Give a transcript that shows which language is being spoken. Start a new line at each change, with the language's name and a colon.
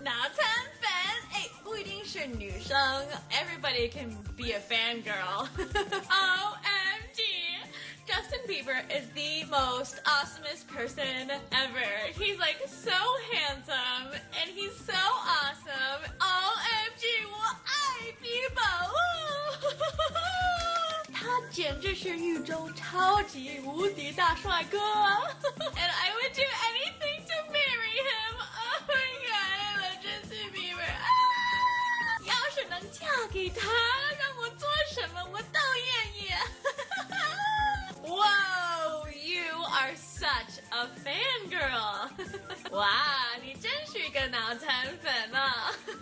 Chinese: 脑残粉，哎，不一定是女生。
English: Everybody can be a fangirl. OMG. Justin Bieber is the most awesomest person ever. He's like so handsome and he's so awesome.
Chinese: OMG, 我爱 Bieber. 他简直是宇宙超级无敌大帅哥。
English: And I would do anything to marry him. Oh my god, I love Justin Bieber.
Chinese: 要是能嫁给他，让我做什么我都愿意。
English: Whoa, you are such a fangirl.
Chinese: 哇，你真是一个脑残粉啊。